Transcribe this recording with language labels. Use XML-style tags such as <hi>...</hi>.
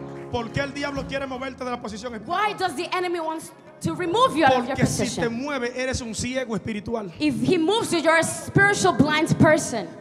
<es>¿Por qué el diablo quiere moverte de la posición espiritual?</es> <en>Why does the enemy want to remove you out of</en> <es>porque</es> <en>your position?</en> <es>Porque si te mueve eres un ciego espiritual.</es> <en>If he moves you, you're a spiritual blind person.</en>